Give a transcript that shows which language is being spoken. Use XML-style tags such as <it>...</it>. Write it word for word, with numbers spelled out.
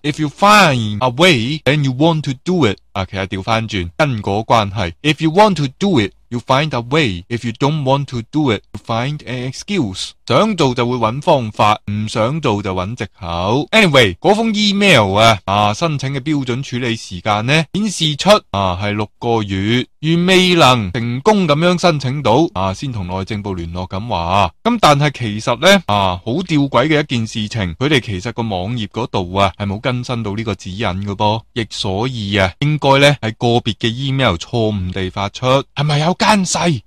<en>If you find a way, then you want to do it.</en> <yue>啊，其實調翻轉因果關係。</yue> <en>If you want to do it, you find a way. If you don't want to do it, you find an excuse.</en> <yue>想做就會揾方法，唔想做就揾藉口。 Anyway， 嗰封 email 啊，啊申請嘅標準處理時間呢，顯示出啊係六個月。如未能成功咁樣申請到啊，先同內政部聯絡咁話。咁但係其實呢，啊，好吊詭嘅一件事情，佢哋其實個網頁嗰度啊係冇更新到呢個指引㗎噃，亦所以啊應該呢係個別嘅 email 錯誤地發出，係咪有奸細？</yue>